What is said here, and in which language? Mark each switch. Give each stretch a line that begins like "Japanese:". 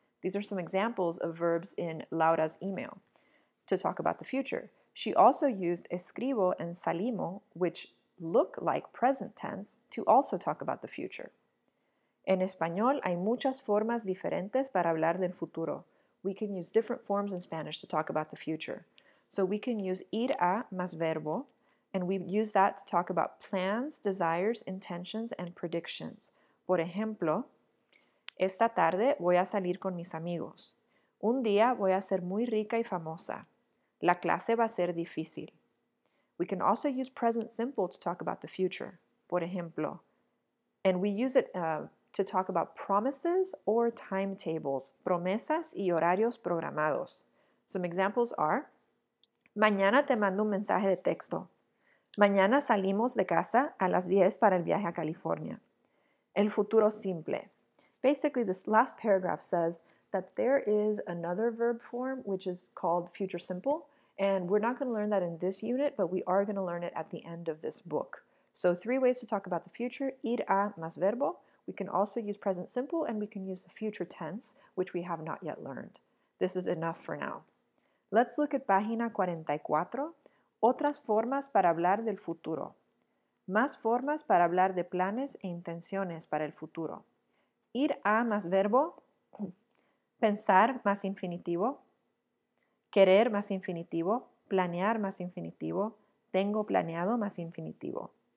English: These are some examples of verbs in Laura's email to talk about the future. She also used escribo and salimo, which look like present tense, to also talk about the future.
Spanish: En español hay muchas formas diferentes para hablar del futuro.
English: We can use different forms in Spanish to talk about the future. So we can use ir a más verbo, and we use that to talk about plans, desires, intentions, and predictions.
Spanish: Por ejemplo, esta tarde voy a salir con mis amigos. Un día voy a ser muy rica y famosa. La clase va a ser difícil.
English: We can also use present simple to talk about the future.
Spanish: Por ejemplo,
English: and we use it to talk about promises or timetables,
Spanish: promesas y horarios programados.
English: Some examples are,
Spanish: mañana te mando un mensaje de texto. Mañana salimos de casa a las 10 para el viaje a California. El futuro simple.
English: Basically, this last paragraph says that there is another verb form, which is called future simple, and we're not going to learn that in this unit, but we are going to learn it at the end of this book. So three ways to talk about the future, ir a más verbo. We can also use present simple, and we can use the future tense, which we have not yet learned. This is enough for now. Let's look at página 44,
Spanish: otras formas para hablar del futuro. Más formas para hablar de planes e intenciones para el futuro. Ir a más verbo, pensar más infinitivo, querer más infinitivo, planear más infinitivo, tengo planeado más infinitivo.